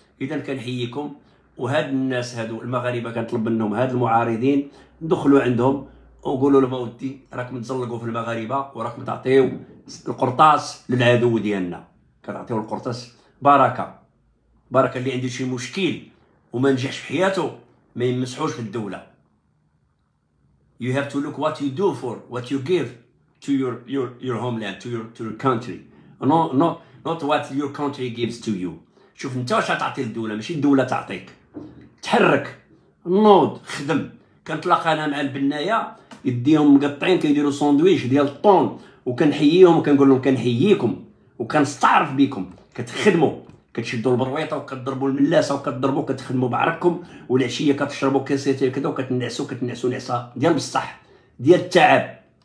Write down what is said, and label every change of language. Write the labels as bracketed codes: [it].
[ar] اذا كنحييكم، وهاد الناس هادو المغاربه كنطلب منهم، هاد المعارضين دخلوا عندهم وقولوا لهم اودي راكم تزلقوا في المغاربه وراكم تعطيو القرطاس للعدو ديالنا، كنعطيو القرطاس بركه. اللي عندي شي مشكل وما نجحش في حياته ما يمسحوش في الدوله. [en] You have to look what you do for what you give to your homeland to your country not what your country gives to you. [ar] شوف انت واش تعطي الدوله، ماشي الدوله تعطيك. تحرك، نوض، خدم. كنتلاقى انا مع البنايه يديهم مقطعين كيديروا ساندويتش ديال الطون، وكنحييهم وكنقول لهم كنحييكم وكنستعرف بكم، كتخدموا، كتشدوا البرويطه وكتضربوا الملاسه وكتضربوا كتخدموا بعرقكم، والعشيه كتشربوا كاسات كذا وكتنعسوا نعسه ديال بصح ديال التعب.